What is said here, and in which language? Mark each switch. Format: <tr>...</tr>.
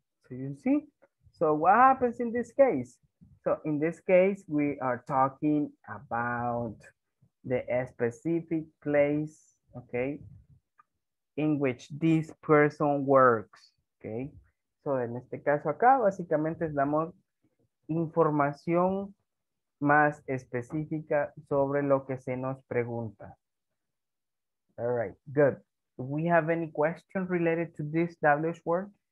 <en>So you see, so what happens in this case? So in this case, we are talking about the specific place, okay, in which this person works, okay?</en> <es>So en este caso acá, básicamente damos información más específica sobre lo que se nos pregunta.</es> <en>All right, good. Do we have any question related to this W word?</en>